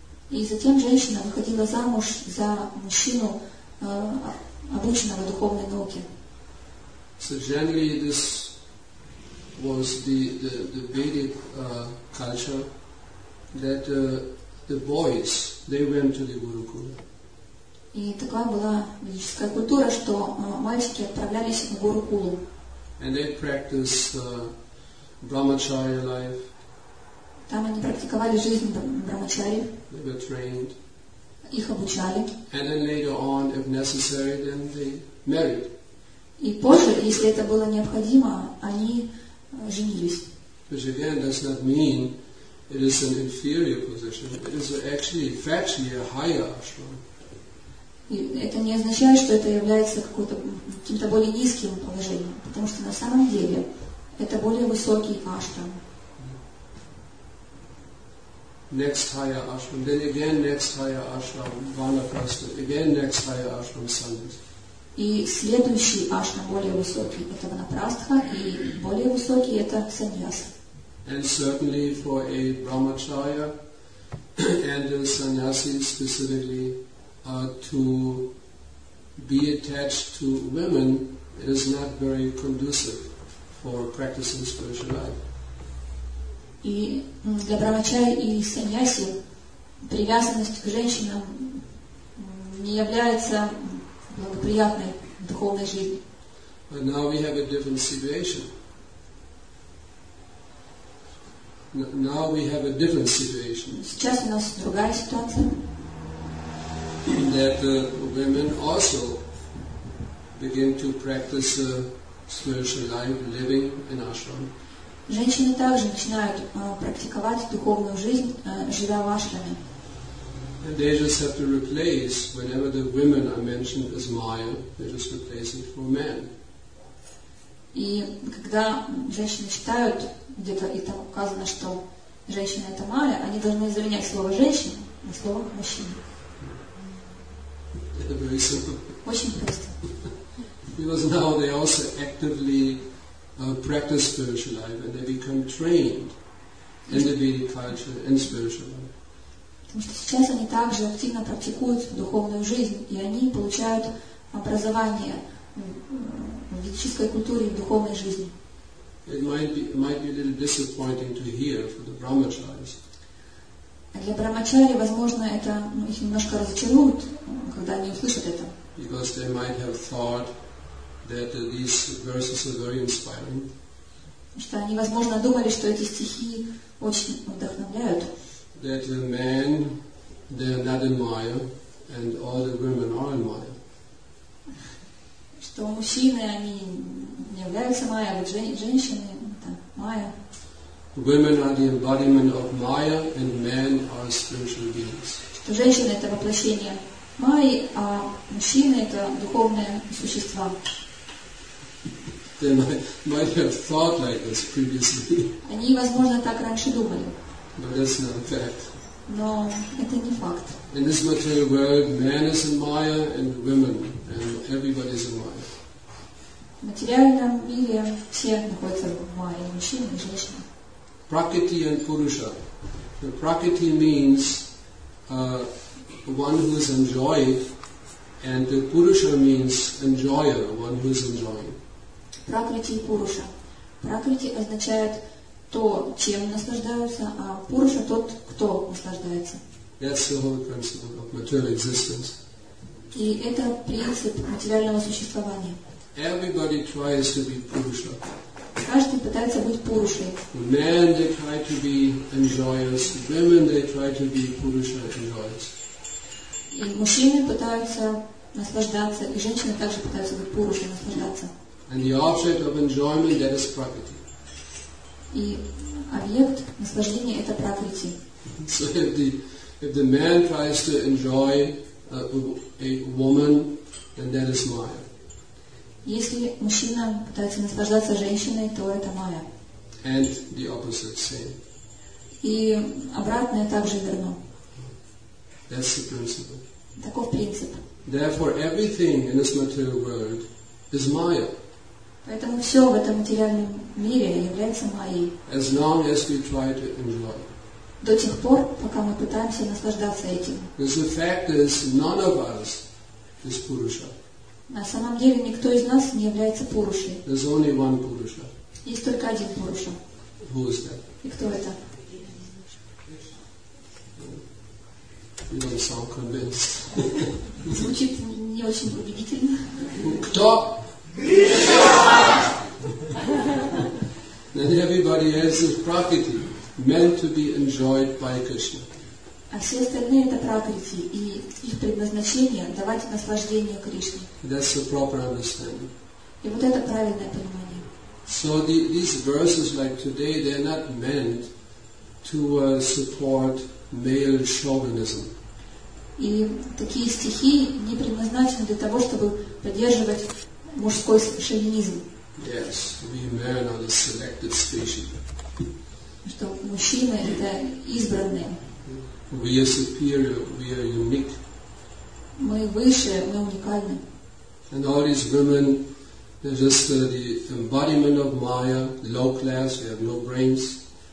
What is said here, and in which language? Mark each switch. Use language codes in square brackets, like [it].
[ru] И затем женщина выходила замуж за мужчину обученного духовной науке. [en] So generally this was the Vedic culture that the boys, they went to the Gurukula. [ru] И такая была ведическая культура, что мальчики отправлялись в Гурукулу. [en] And they practiced brahmacharya life. [ru] Там они практиковали жизнь брахмачари. [en] They were trained. [ru] Их обучали. [en] And then later on, if necessary, then they married. [ru] И позже, если это было необходимо, они женились. [en] Which again does not mean it is an inferior position. It is actually factually a higher ashram. [ru] И это не означает, что это является каким-то более низким положением, потому что на самом деле это более высокий ашрам. [en] Next higher ashram, then again next higher ashram, vanaprastha, again next higher ashram, sannyasa. [ru] И следующий ашрам более высокий, это ванапрастха, и более высокий это саньяса. [en] And certainly for a brahmacharya and a sannyasi specifically, to be attached to women is not very conducive for practicing spiritual life. [ru] И для брахмачари и саньяси привязанность к женщинам не является благоприятной духовной жизни. [en] But now we have a different situation. Now we have a different situation. [ru] Сейчас у нас другая ситуация. [en] That women also begin to practice spiritual life, living in ashram. [ru] Женщины также начинают практиковать духовную жизнь, живя в ашраме. [en] And they just have to replace whenever the women are mentioned as Maya, they just replace it for men. [ru] И когда женщины считают, где-то и там указано, что женщина это Майя, они должны заменять слово женщина на слово мужчина. Это [en] very simple. [ru] Очень просто. [en] Because now they also actively practice spiritual life and they become trained in the Vedic culture and spiritual life. [ru] Потому что сейчас они также активно практикуют духовную жизнь, и они получают образование в ведической культуре и в духовной жизни. [en] It might be a little disappointing to hear for the brahmacharis. [ru] Для брахмачари, возможно, это их немножко разочарует, когда они услышат это. [en] Because they might have thought that these verses are very inspiring. [ru] Потому что они, возможно, думали, что эти стихи очень вдохновляют. [en] That the men, they are not in Maya, and all the women are in Maya. [ru] Что мужчины, они не являются Maya, а женщины, это Maya. [en] Women are the embodiment of Maya, and men are spiritual beings. [ru] Что женщины это воплощение Майи, а мужчины это духовные существа. [en] They might have thought like this previously. [ru] Они, возможно, так раньше думали. [en] But that's not a fact. No, [ru] это не факт. [en] In this material world, man is in Maya and women, and everybody is in Maya. [ru] В материальном мире все находятся в Майе, мужчины и женщины. [en] Prakriti and Purusha. The Prakriti means one who is enjoyed, and the Purusha means enjoyer, one who is enjoying. [ru] Prakriti и Purusha. Prakriti означает то, чем наслаждаются, а Пуруша тот, кто наслаждается. [en] That's the whole principle of material existence. [ru] И это принцип материального существования. [en] Everybody tries to be Purusha. [ru] Каждый пытается быть Пурушей. [en] Men, they try to be enjoyers. Women, they try to be Purusha enjoyers. [ru] И мужчины пытаются наслаждаться, и женщины также пытаются быть Пурушей, наслаждаться. [en] And the object of enjoyment, that is Prakriti. [ru] И объект наслаждения это Пракрити. [en] So if the man tries to enjoy a woman, then that is Maya. [ru] Если мужчина пытается наслаждаться женщиной, то это Майя. [en] And the opposite same. [ru] И обратное также верно. [en] That's the principle. [ru] Таков принцип. [en] Therefore, everything in this material world is Maya. [ru] Поэтому все в этом материальном мире является Майей. [en] As long as we try to enjoy. [ru] До тех пор, пока мы пытаемся наслаждаться этим. [en] Because the fact is, none of us is Purusha. [ru] На самом деле, никто из нас не является Пурушей. [en] There's only one Purusha. [ru] Есть только один Пуруша. [en] Who is that? [ru] И кто это? [en] You don't sound convinced. [ru] Звучит не очень убедительно. Кто? [en] Then everybody else is prakriti, meant to be enjoyed by Krishna. [ru] А все остальные это прокрити, и их предназначение давать наслаждение Кришне. [en] That's the proper understanding. [ru] И вот это правильное понимание. [en] So these verses like today, they're not meant to support male chauvinism. [ru] И такие стихи не предназначены для того, чтобы поддерживать мужской шовинизм. [en] Yes, we men are the selected species. [ru] Что мужчины это избранные. [en] We are superior, we are unique. [ru] Мы выше, мы уникальны. [en] And all these women, they're just the embodiment of Maya, low class, we have no brains.